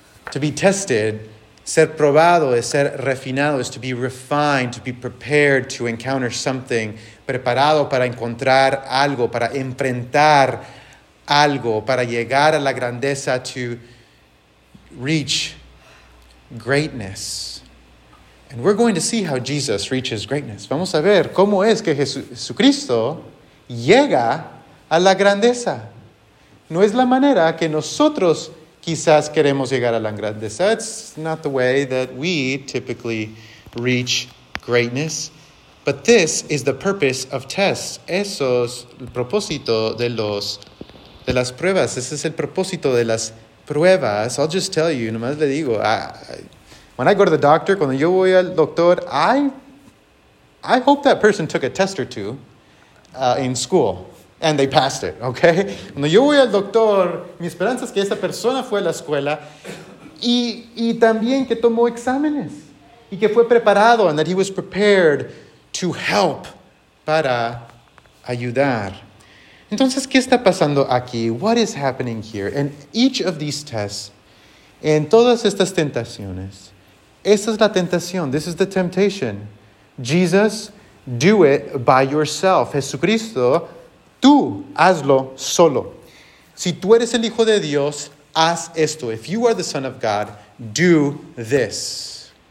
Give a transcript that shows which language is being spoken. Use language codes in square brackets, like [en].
[en] To be tested, [es] ser probado, es ser refinado, [en] is to be refined, to be prepared to encounter something, [es] preparado para encontrar algo, para enfrentar algo, para llegar a la grandeza, [en] to reach greatness. And we're going to see how Jesus reaches greatness. [es] Vamos a ver cómo es que Jesucristo llega a la grandeza. No es la manera que nosotros quizás queremos llegar a la grandeza. [en] It's not the way that we typically reach greatness. But this is the purpose of tests. [es] Eso es el propósito de las pruebas. Ese es el propósito de las pruebas. [en] I'll just tell you, [es] nomás le digo, [en] when I go to the doctor, [es] cuando yo voy al doctor, [en] I hope that person took a test or two in school and they passed it, okay? [es] Cuando yo voy al doctor, mi esperanza es que esa persona fue a la escuela y también que tomó exámenes y que fue preparado, [en] and that he was prepared to help, [es] para ayudar. Entonces, ¿qué está pasando aquí? [en] What is happening here? In each of these tests, [es] en todas estas tentaciones, esta es la tentación. [en] This is the temptation. Jesus, do it by yourself. [es] Jesucristo, tú hazlo solo. Si tú eres el Hijo de Dios, haz esto. [en] If you are the Son of God, do this.